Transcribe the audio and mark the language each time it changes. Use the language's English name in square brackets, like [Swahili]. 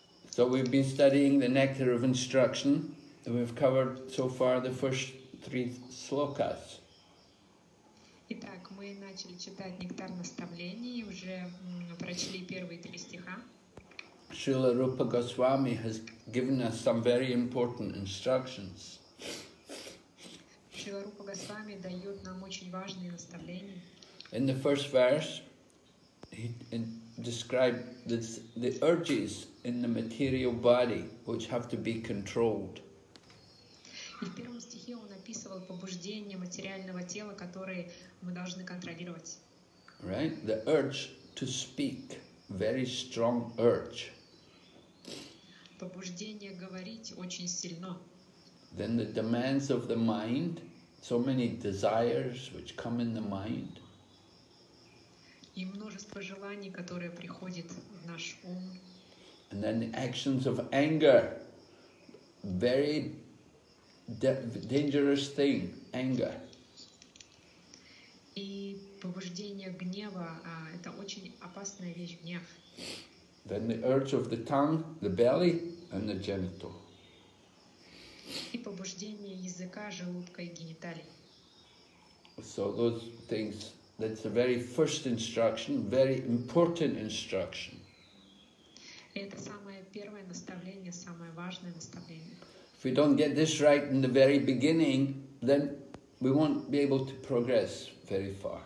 [English] So we've been studying the nectar of instruction, and we've covered so far the first three slokas. [Russian] Итак, мы начали читать нектар наставлений, уже прочли первые три стиха. [English] Srila Rupa Goswami has given us some very important instructions. [Russian] Srila Rupa Goswami дает нам очень важные наставления. [English] In the first verse, he described the urges in the material body which have to be controlled. [Russian] И в первом стихе он описывал побуждения материального тела, которые мы должны контролировать. [English] Right, the urge to speak, very strong urge. [Russian] Побуждение говорить очень сильно. [English] Then the demands of the mind, so many desires which come in the mind. [Russian] И множество желаний, которые приходят в наш ум. [English] And then the actions of anger, very dangerous thing, anger. [Russian] И побуждение гнева, это очень опасная вещь, гнев. [English] Then the urge of the tongue, the belly, and the genital. [Russian] И побуждение языка, желудка и гениталий. [English] So those things, that's the very first instruction, very important instruction. [Russian] Это самое первое наставление, самое важное наставление. [English] If we don't get this right in the very beginning, then we won't be able to progress very far.